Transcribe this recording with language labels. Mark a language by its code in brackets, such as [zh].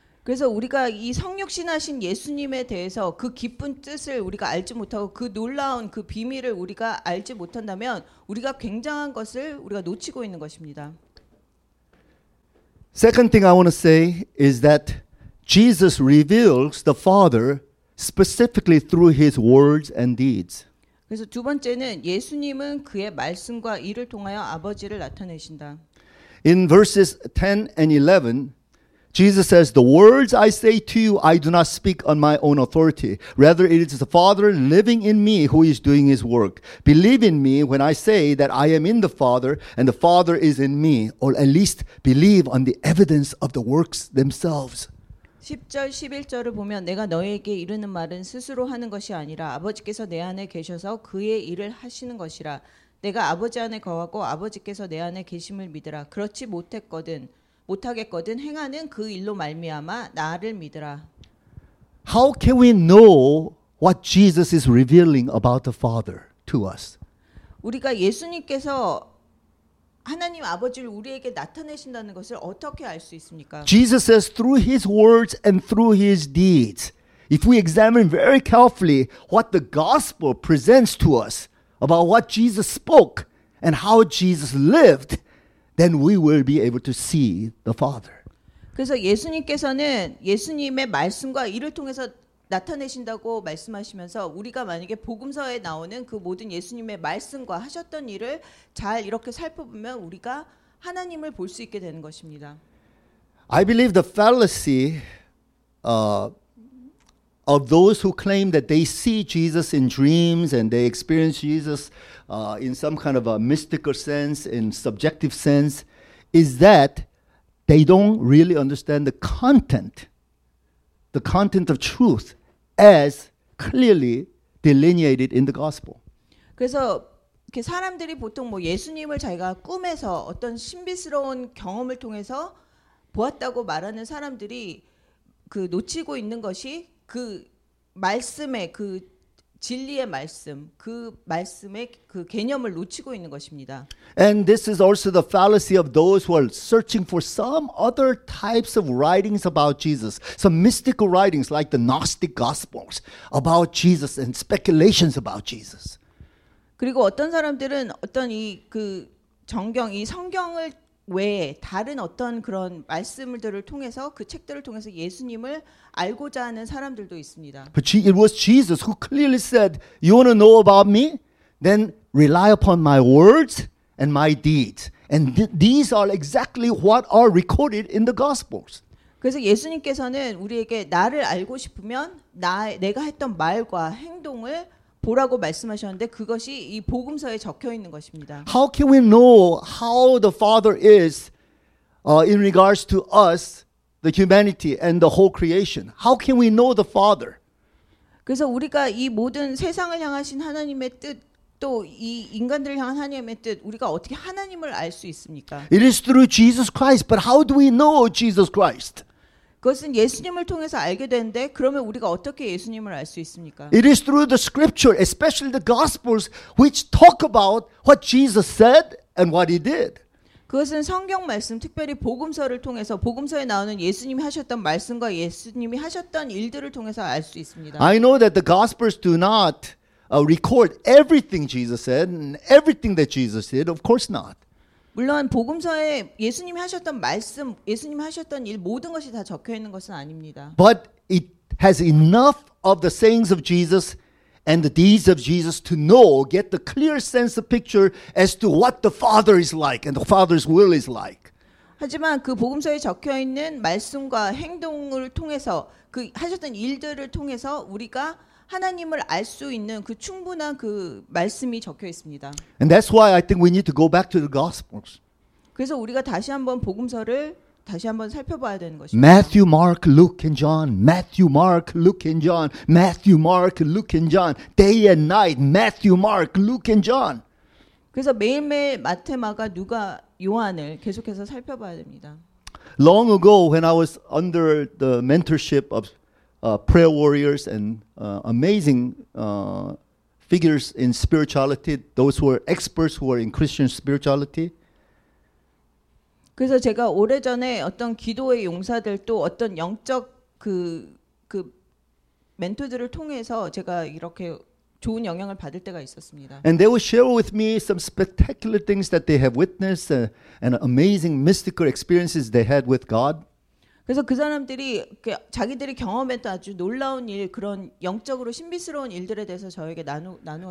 [ko] 그래서 우리가 이 성육신하신 예수님에 대해서 그 깊은 뜻을 우리가 알지 못하고 그 놀라운 그 비밀을 우리가 알지 못한다면 우리가 굉장한 것을 우리가 놓치고 있는 것입니다. [en] Second thing I want to say is that Jesus reveals the Father specifically through his words and deeds. [ko] 그래서 두 번째는 예수님은 그의 말씀과 일을 통하여 아버지를 나타내신다. [en] In verses 10 and 11, Jesus says, "The words I say to you, I do not speak on my own authority. Rather, it is the Father living in me who is doing his work. Believe in me when I say that I am in the Father and the Father is in me, or at least believe on the evidence of the works themselves." [ko] 10절, 11절을 보면 내가 너에게 이르는 말은 스스로 하는 것이 아니라 아버지께서 내 안에 계셔서 그의 일을 하시는 것이라 내가 아버지 안에 거하고 아버지께서 내 안에 계심을 믿으라 그렇지 못하겠거든 행하는 그 일로 말미암아 나를 믿으라. [en] How can we know what Jesus is revealing about the Father to us? [ko] 우리가 예수님께서 하나님 아버지를 우리에게 나타내신다는 것을 어떻게 알 수 있습니까? [en] Jesus says through his words and through his deeds. If we examine very carefully what the gospel presents to us about what Jesus spoke and how Jesus lived, then we will be able to see the Father. [ko] 그래서 예수님께서는 예수님의 말씀과 일을 통해서 나타내신다고 말씀하시면서 우리가 만약에 복음서에 나오는 그 모든 예수님의 말씀과 하셨던 일을 잘 이렇게 살펴보면 우리가 하나님을 볼 수 있게 되는 것입니다. [en] I believe the fallacy of those who claim that they see Jesus in dreams and they experience Jesus in some kind of a mystical sense, in subjective sense, is that they don't really understand the content of truth as clearly delineated in the gospel. [ko] 그래서 이렇게 사람들이 보통 뭐 예수님을 자기가 꿈에서 어떤 신비스러운 경험을 통해서 보았다고 말하는 사람들이 그 놓치고 있는 것이 그 말씀의 그 진리의 말씀, 그 말씀의 그 개념을 놓치고 있는 것입니다. [en] And this is also the fallacy of those who are searching for some other types of writings about Jesus, some mystical writings like the Gnostic Gospels about Jesus and speculations about Jesus. [ko] 그리고 어떤 사람들은 어떤 이 그 정경, 이 성경을 외에 다른 어떤 그런 말씀들을 통해서 그 책들을 통해서 예수님을 알고자 하는 사람들도 있습니다. [en] But it was Jesus who clearly said, "You want to know about me? Then rely upon my words and my deeds, and these are exactly what are recorded in the Gospels." [ko] 그래서 예수님께서는 우리에게 나를 알고 싶으면 내가 했던 말과 행동을 보라고 말씀하셨는데 그것이 이 복음서에 적혀 있는 것입니다. [en] How can we know how the Father is in regards to us, the humanity and the whole creation? How can we know the Father? [ko] 그래서 우리가 이 모든 세상을 향하신 하나님의 뜻 또 이 인간들을 향한 하나님의 뜻 우리가 어떻게 하나님을 알 수 있습니까? [en] It is through Jesus Christ, but how do we know Jesus Christ? [ko] 그것은 예수님을 통해서 알게 되는데 그러면 우리가 어떻게 예수님을 알 수 있습니까? [en] It is through the scripture, especially the gospels, which talk about what Jesus said and what he did. [ko] 그것은 성경 말씀, 특별히 복음서를 통해서 복음서에 나오는 예수님이 하셨던 말씀과 예수님이 하셨던 일들을 통해서 알 수 있습니다. [en] I know that the gospels do not record everything Jesus said and everything that Jesus did. Of course not. [ko] 물론 복음서에 예수님이 하셨던 말씀, 예수님이 하셨던 일 모든 것이 다 적혀 있는 것은 아닙니다. [en] But it has enough of the sayings of Jesus and the deeds of Jesus to know, get the clear sense of picture as to what the Father is like and the Father's will is like. [ko] 하지만 그 복음서에 적혀 있는 말씀과 행동을 통해서 그 하셨던 일들을 통해서 우리가 하나님을 알 수 있는 그 충분한 그 말씀이 적혀 있습니다. [en] And that's why I think we need to go back to the Gospels. [ko] 그래서 우리가 다시 한번 복음서를 다시 한번 살펴봐야 되는 것입니다. [en] Matthew, Mark, Luke, and John. Matthew, Mark, Luke, and John. Matthew, Mark, Luke, and John. Day and night. Matthew, Mark, Luke, and John. [ko] 그래서 매일매일 마태, 마가, 누가, 요한을 계속해서 살펴봐야 됩니다. [en] Long ago, when I was under the mentorship of prayer warriors and amazing figures in spirituality, those who are experts who are in Christian spirituality. [ko] 그래서 제가 오래전에 어떤 기도의 용사들 또 어떤 영적 그 멘토들을 통해서 제가 이렇게 좋은 영향을 받을 때가 있었습니다. [en] And they will share with me some spectacular things that they have witnessed and amazing mystical experiences they had with God. [ko] 그래서 그 사람들이 자기들이 경험했던 아주 놀라운 일, 그런 영적으로 신비스러운 일들에 대해서 저에게 나누었습니다.